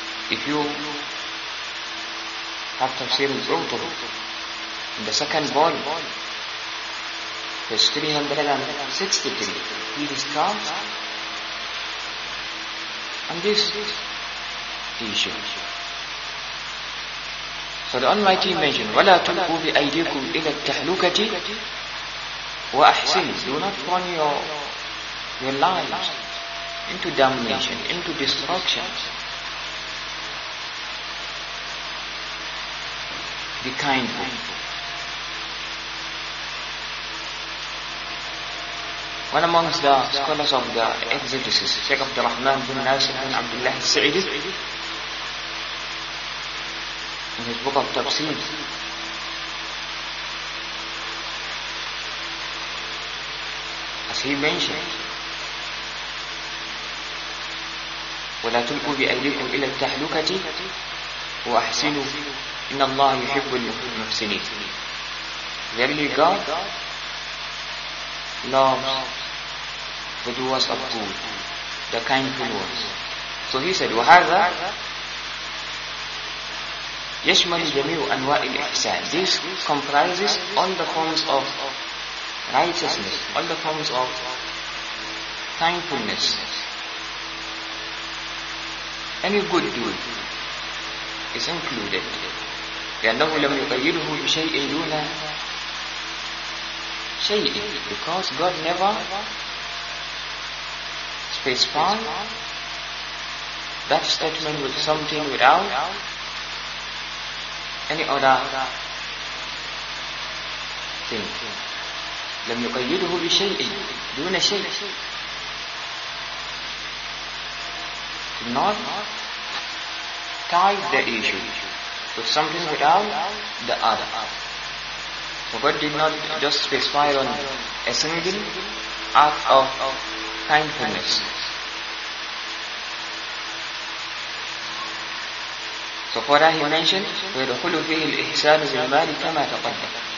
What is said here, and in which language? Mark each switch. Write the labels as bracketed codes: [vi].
[en] If you have tafsir al-Qurtubi in the second volume, page 363, he describes on this issue. So the Almighty mentioned, [ar] وَلَا تُلْقُوا بِأَيْدِيكُمْ إِلَى التَّحْلُكَةِ وَأَحْسِنِ. [en] Do not turn your lives into damnation, into destruction. Be kind. One amongst the scholars of the Exodus, Sheikh Abdul Rahman bin Nasir bin Abdullah al-Sa'idi, in his book of Tafsir, as he mentioned, [ar] وَلَا تُلْقُوا بِأَيْدِيكُمْ إِلَى التَّحْلُكَةِ وَأَحْسِنُوا إِنَّ اللَّهَ يُحِبُّ الْمُحْسِنِينَ. [en] Verily God loves the doers of good, the kindful ones. So he said, [ar] وَهَذَا يَشْمَلُ جَمِيعُ أَنْوَاءِ الْإِحْسَانِ. [en] This comprises all the forms of righteousness, all the forms of thankfulness. Any good deed is included. [ar] لأنه لم يقيده بشيء دون شيء. [en] Because God never specify that statement with something without any other thing. [ar] لم يقيده بشيء دون شيء. [en] Do not tie the issue with something without the other. So God did not just specify on a single act of kindness. So for that he mentioned, [ar] وَيَدْخُلُ فِيهِ الْإِحْسَانُ بِالْمَالِ كَمَا تَقَدَّمَ.